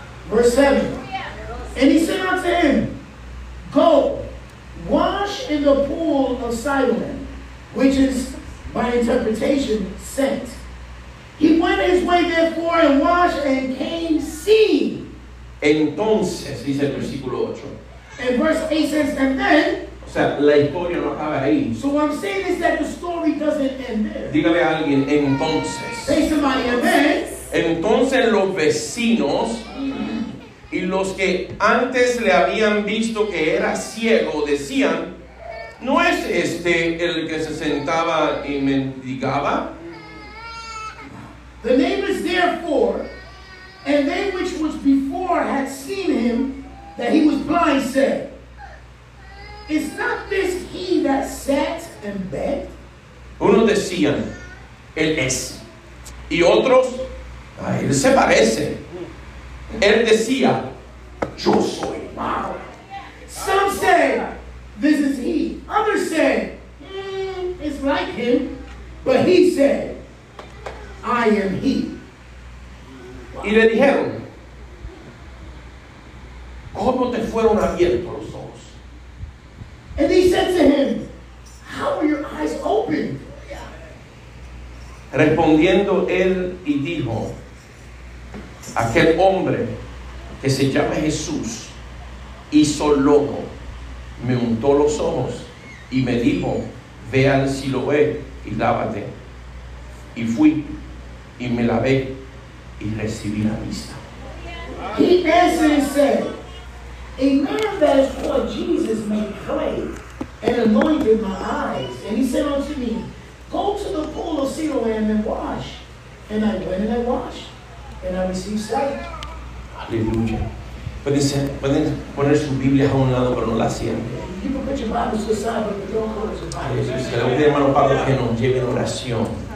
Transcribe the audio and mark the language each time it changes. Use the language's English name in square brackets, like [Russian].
[English] Verse 7. And he said unto him, Go, wash in the pool of Siloam, which is by interpretation sent. He went his way therefore and washed and came seeing. [Spanish] Entonces, dice el versículo 8. [English] And verse 8 says, And then, [Spanish] o sea, la historia no acaba ahí. [English] So what I'm saying is that the story doesn't end there. [Spanish] Dígale a alguien, entonces. [English] Say somebody, amen. [Spanish] Entonces los vecinos y los que antes le habían visto que era ciego decían, ¿no es este el que se sentaba y mendigaba? [English] The neighbors therefore, and they which was before had seen him, that he was blind, said, Is not this he that sat and begged? [Spanish] Unos decían, Él es. Y otros, a Él se parece. Él decía, Yo soy. [English] Wow. say, this is he. Others say, it's like him. But he said, I am he. [Spanish] Y le dijeron, ¿cómo te fueron abiertos los ojos? [English] And he said to him, how were your eyes opened? [Spanish] Respondiendo él y dijo, aquel hombre que se llama Jesús hizo loco, me untó los ojos y me dijo, ve al Siloé y lávate. Y fui y me lavé y recibí la vista. [English] He answered and said, a man that is called Jesus made clay and anointed my eyes. And he said unto me, go to the pool of Siloam and wash. And I went and I washed. And I received sight. [Spanish] Aleluya. Pueden poner su Biblia a un lado, pero no la cierren. Aleluya. Le voy a pedir, hermano Pablo, que nos lleve en oración.